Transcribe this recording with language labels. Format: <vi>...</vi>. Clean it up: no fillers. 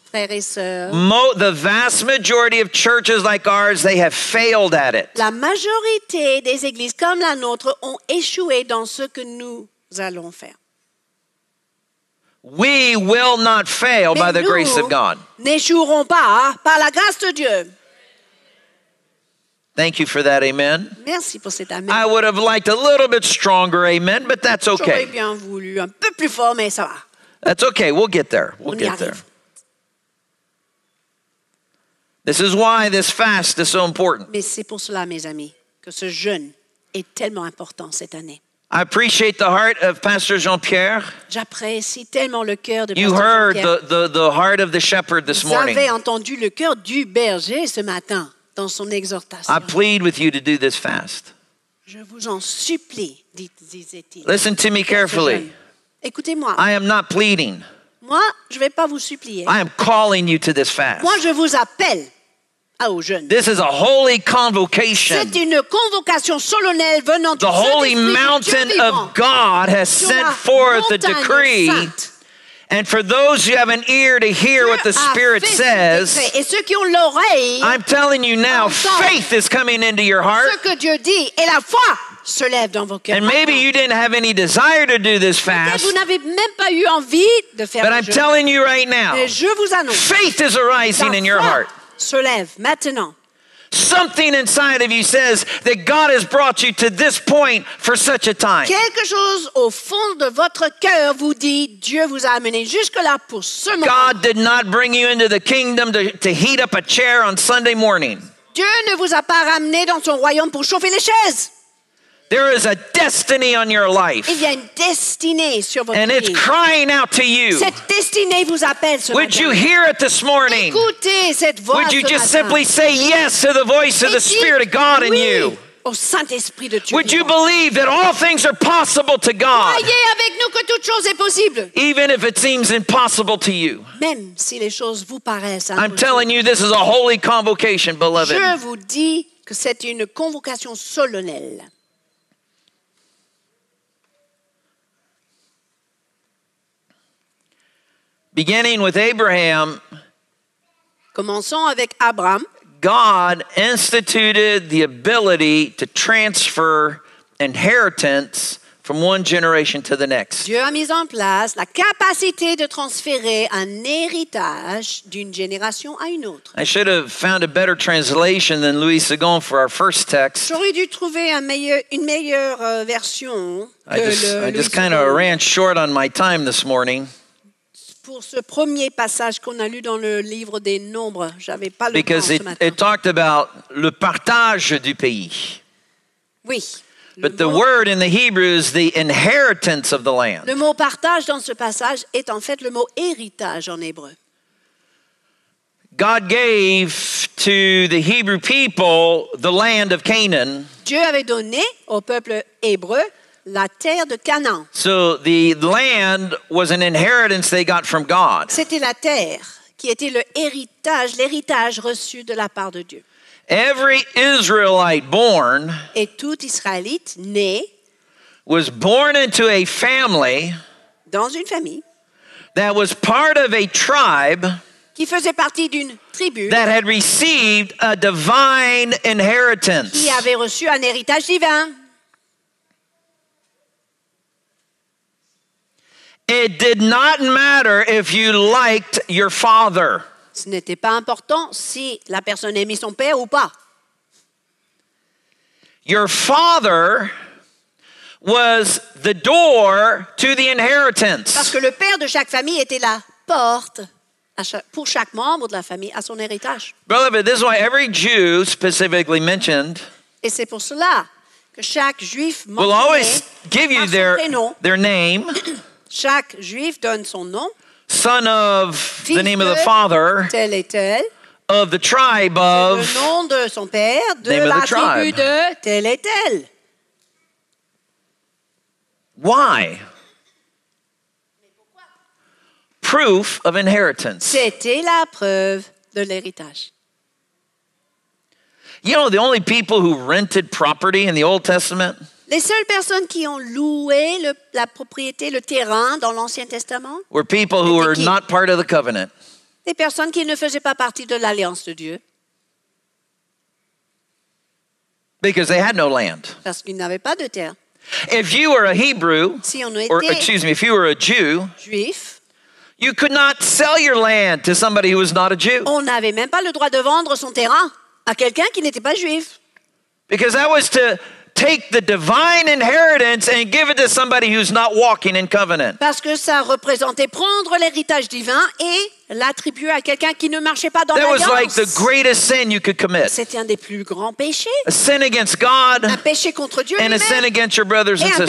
<en>The vast majority of churches like ours, they have failed at it.</en> <fr>La majorité des églises comme la nôtre ont échoué dans ce que nous allons faire.</fr> <en>We will not fail by the grace of God.</en> <fr>N'échouerons pas par la grâce de Dieu.</fr> <en>Thank you for that, amen.</en> <fr>Merci pour cet amen.</fr> <en>I would have liked a little bit stronger amen, but that's okay.</en> <fr>J'aurais bien voulu un peu plus fort, mais ça va.</fr> <en>That's okay, we'll get there. We'll get there. This is why this fast is so important.</en> <fr>Mais c'est pour cela, mes amis, que ce jeûne est tellement important cette année.</fr> <en>I appreciate the heart of Pastor Jean-Pierre.</en> <fr>J'apprécie tellement le cœur de Pastor Jean-Pierre.</fr> <en>You heard the heart of the shepherd this morning.</en> <fr>Vous avez entendu le cœur du berger ce matin dans son exhortation.</fr> <en>I plead with you to do this fast.</en> <fr>Je vous en supplie, disait-il.</fr> <en>Listen to me carefully.</en> <fr>Écoutez-moi.</fr> <en>I am not pleading.</en> <fr>Moi, je vais pas vous supplier.</fr> <en>I am calling you to this fast.</en> <fr>Moi, je vous appelle.</fr> <en>This is a holy convocation.</en> <fr>C'est une convocation solennelle venant</fr> <en>the holy</en> <fr>Dieu</fr> <en>mountain</en> <fr>Dieu</fr> <en>of God has sent forth the decree.</en> <fr>Sainte.</fr> <en>And for those who have an ear to hear</en> <fr>Dieu</fr> <en>what the Spirit says,</en> <fr>et ceux qui ont l'oreille,</fr> <en>I'm telling you now, faith is coming into your heart.</en> <fr>Ce que Dieu dit et la foi se lève dans vos cœurs.</fr> <en>And maybe you didn't have any desire to do this fast.</en> <fr>Vous n'avez même pas eu envie de faire</fr> <en>but I'm telling you right now,</en> <fr>je vous annonce,</fr> <en>faith is arising in your heart.</en> <fr>Se lève maintenant.</fr> <en>Something inside of you says that God has brought you to this point for such a time.</en> <fr>Quelque chose au fond de votre cœur vous dit Dieu vous a amené jusque là pour ce moment.</fr> <en>God did not bring you into the kingdom to heat up a chair on Sunday morning.</en> <fr>Dieu ne vous a pas ramené dans son royaume pour chauffer les chaises.</fr> <en>There is a destiny on your life.</en> <fr>Il y a une destinée sur votre vie.</fr> <en>And it's crying out to you.</en> <fr>Cette destinée vous appelle ce matin.</fr> <en>Would you hear it this morning?</en> <fr>Écoutez cette voix.</fr> <en>Would you</en> <fr>ce</fr> <en>just</en> <fr>matin.</fr> <en>Simply say yes to the voice</en> <fr>et</fr> <en>of the Spirit of God</en> <fr>oui</fr> <en>in you?</en> <fr>Au Saint-Esprit de Dieu.</fr> <en>Would you believe that all things are possible to God?</en> <fr>Croyez avec nous que toute chose est possible.</fr> <en>Even if it seems impossible to you.</en> <fr>Même si les choses vous paraissent</fr> <en>impossible. I'm telling you, this is a holy convocation, beloved.</en> <fr>Je vous dis que c'est une convocation solennelle.</fr> <en>Beginning with Abraham,</en> <fr>commençons avec Abraham,</fr> <en>God instituted the ability to transfer inheritance from one generation to the next.</en> <fr>Dieu a mis en place la capacité de transférer un héritage d'une génération à une autre.</fr> <en>I should have found a better translation than Louis Segond for our first text.</en> <fr>J'aurais dû trouver une meilleure version que</fr> <en>I just kind of ran short on my time this morning.</en> <fr>Pour ce premier passage qu'on a lu dans le livre des Nombres, j'avais pas le temps ce matin.</fr> <en>Because it talked about</en> <fr>le partage du pays. Oui.</fr> <en>But the word in the Hebrew is the inheritance of the land.</en> <fr>Le mot partage dans ce passage est en fait le mot héritage en hébreu.</fr> <en>God gave to the Hebrew people the land of Canaan.</en> <fr>Dieu avait donné au peuple hébreu la terre de Canaan.</fr> <en>So the land was an inheritance they got from God.</en> <fr>C'était la terre qui était le héritage, l'héritage reçu de la part de Dieu.</fr> <en>Every Israelite born</en> <fr>et tout Israélite né</fr> <en>was born into a family</en> <fr>dans une famille</fr> <en>that was part of a tribe</en> <fr>qui faisait partie d'une tribu</fr> <en>that had received a divine inheritance</en> <fr>qui avait reçu un héritage divin.</fr> <en>It did not matter if you liked your father.</en> <fr>Ce n'était pas important si la personne aimait son père ou pas.</fr> <en>Your father was the door to the inheritance.</en> <fr>Parce que le père de chaque famille était la porte pour chaque membre de la famille à son héritage.</fr> <en>Beloved, this is why every Jew specifically mentioned.</en> <fr>Et c'est pour cela que chaque Juif mentionné.</fr> <en>Will always give you their name.</en> <fr>Chaque Juif donne son nom.</fr> <en>Son of the name of the father.</en> <fr>Tel et tel.</fr> <en>Of the tribe of.</en> <fr>Le nom de son père. De la tribu de tel et tel.</fr> <en>Why? Proof of inheritance.</en> <fr>C'était la preuve de l'héritage.</fr> <en>You know, the only people who rented property in the Old Testament.</en> <fr>Les seules personnes qui ont loué la propriété, le terrain dans l'Ancien Testament</fr> <en>were people who were not part of the covenant.</en> <fr>Les personnes qui ne faisaient pas partie de l'alliance de Dieu.</fr> <en>Because they had no land.</en> <fr>Parce qu'ils n'avaient pas de terre.</fr> <en>If you were a Hebrew,</en> <fr>si on était,</fr> <en>if you were a Jew,</en> <fr>juif,</fr> <en>you could not sell your land to somebody who was not a Jew.</en> <fr>On n'avait même pas le droit de vendre son terrain à quelqu'un qui n'était pas juif.</fr> <en>Because that was to take the divine inheritance and give it to somebody who's not walking in covenant.</en> <fr>Parce que ça représentait prendre l'héritage divin et l'attribuer à quelqu'un qui ne marchait pas dans l'alliance.</fr> <en>That was like the greatest sin you could commit.</en> <fr>C'était un des plus grands péchés.</fr> <en>A sin against God.</en> <fr>Un péché contre Dieu lui-même.</fr> <en>And a sin against your brothers and sisters.</en>